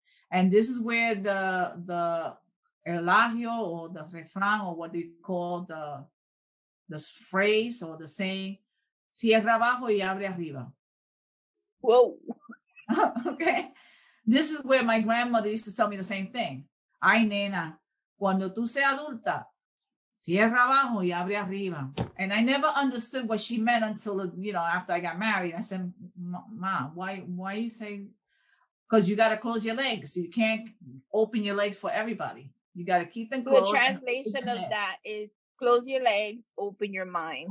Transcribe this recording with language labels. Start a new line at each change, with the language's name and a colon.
English: And this is where the elagio or the refrán or what they call the phrase or the saying,
Spanish: cierra abajo y abre arriba.
English: Whoa. Okay. This is where my grandmother used to tell me the same thing.
Spanish: Ay, nena, cuando tú seas adulta, cierra abajo y abre arriba.
English: And I never understood what she meant until, you know, after I got married. I said, Ma, why you say? Because you got to close your legs. You can't open your legs for everybody. You got to keep them closed. The translation of that is close your legs, open your mind.